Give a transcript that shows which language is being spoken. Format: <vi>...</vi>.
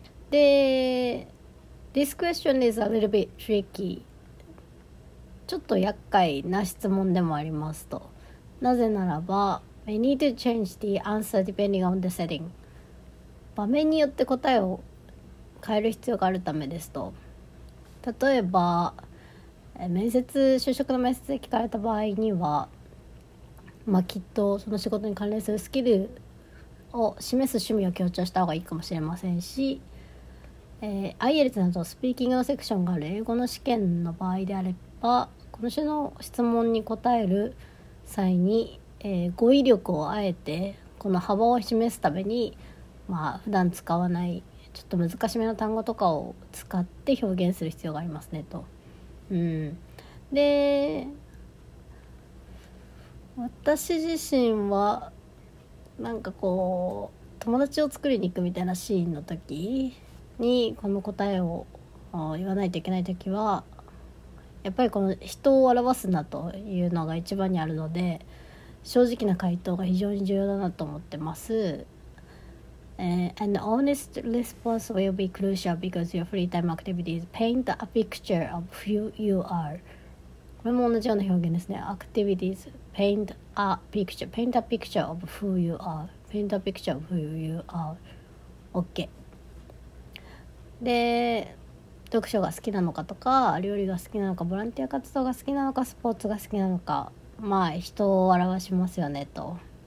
<ja>で、</ja> <en>This question is a little bit tricky.</en> <ja>ちょっと厄介な質問でもありますと。なぜならば、</ja> <en>I need to change the answer depending on the setting.</en> <ja>場面によって答えを変える必要があるためですと。例えば、面接、就職の面接で聞かれた場合には、きっとその仕事に関連するスキルを示す趣味を強調した方がいいかもしれませんし、 IELTS などスピーキングのセクションがある英語の試験の場合であれば、この種の質問に答える際に、語彙力をあえてこの幅を示すために、普段使わないちょっと難しめの単語とかを使って表現する必要がありますねと。で、私自身はなんかこう友達を作りに行くみたいなシーンの時にこの答えを言わないといけない時は、やっぱりこの人を表すなというのが一番にあるので、正直な回答が非常に重要だなと思ってます。</ja> <en>An honest response will be crucial because your free time activities paint a picture of who you are.</en> <ja>これも同じような表現ですね。</ja> <en>Activities paint a picture. Paint a picture of who you are. Paint a picture of who you are. OK。</en> <ja>で、読書が好きなのかとか、料理が好きなのか、ボランティア活動が好きなのか、スポーツが好きなのか、人を表しますよねと。</ja>